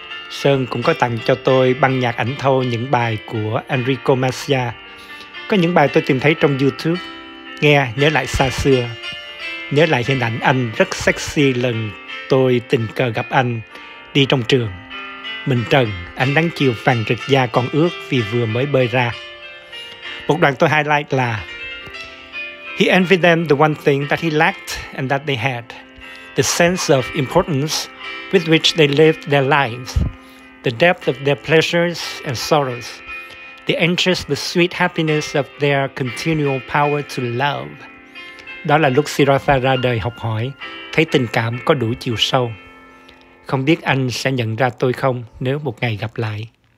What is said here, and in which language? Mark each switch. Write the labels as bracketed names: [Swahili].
[Vietnamese] Sơn cũng có tặng cho tôi băng nhạc ảnh thâu những bài của Enrico Macia. Có những bài tôi tìm thấy trong YouTube, nghe nhớ lại xa xưa. Nhớ lại hình ảnh anh rất sexy lần tôi tình cờ gặp anh đi trong trường. Mình trần, ánh nắng chiều vàng rực da còn ướt vì vừa mới bơi ra. Một đoạn tôi highlight là [English] He envied them the one thing that he lacked and that they had. The sense of importance with which they lived their lives. The depth of their pleasures and sorrows. The anxious but sweet happiness of their continual power to love. [Vietnamese] Đó là lúc Siddhartha ra đời học hỏi, thấy tình cảm có đủ chiều sâu. Không biết anh sẽ nhận ra tôi không nếu một ngày gặp lại.